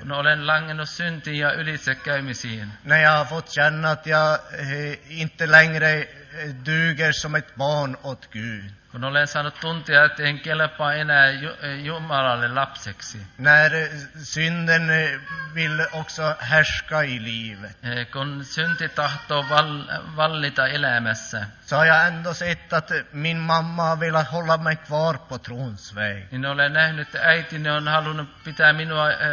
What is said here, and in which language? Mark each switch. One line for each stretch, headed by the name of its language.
Finnish: No, olen langennut syntiin ja ylitsekäymisiin.
Swedish: När jag har fått känna att jag inte längre duger som ett barn åt Gud.
Finnish: Kun olen saanut tuntia, että en kelpaa enää Jumalalle lapseksi.
Swedish: När synden vill också härska i livet.
Finnish: Kun synti tahtoo vallita elämässä.
Swedish: Så har jag ändå sett att min mamma vill hålla mig kvar på trons väg.
Finnish: Niin olen nähnyt, että äitini on halunnut pitää minua